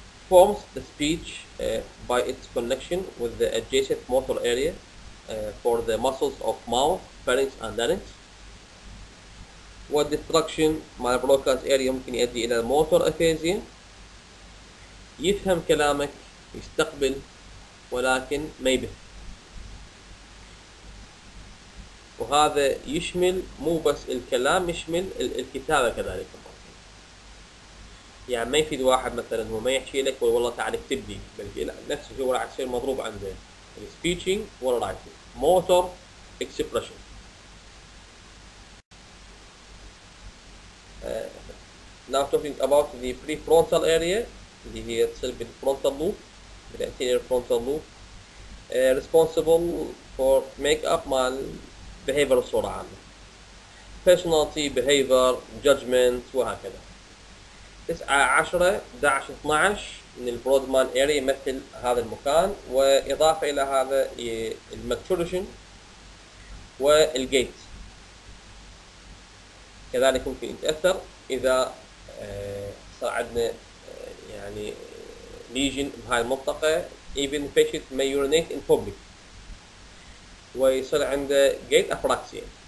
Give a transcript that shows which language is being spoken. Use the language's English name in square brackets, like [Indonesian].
[English] Forms the speech by its connection with the adjacent motor area for the muscles of mouth, pharynx and larynx. [Arabic] والديستركشن مع البروكاست اريا ممكن يؤدي الى الموتور افيزيا. يفهم كلامك يستقبل ولكن ما يبث. وهذا يشمل مو بس الكلام يشمل الكتابة كذلك. يعني ما يفيد واحد مثلا هو ما يحكي لك والله تعال اكتب لي، بل نفسه هو راح يصير مضروب عنده السبيتشنج والرايتنج موتور اكسبرشن. [English] Now talking about the prefrontal area [Arabic] اللي هي تصير بالفرونتال لوب بالانتيريور فرونتال لوب [English] responsible for make up مال behavior [Arabic] بصورة عامة [English] personality, behavior, judgment وهكذا. [Arabic] 9 10 11 12 من البرودمان اريا يمثل هذا المكان واضافة الى هذا الماتوريشن والجيت كذلك ممكن يتأثر اذا صار عندنا يعني ليجن بهاي المنطقة [English] even patient may urinate in public [Arabic] ويصير عنده جيت ابراكسيا.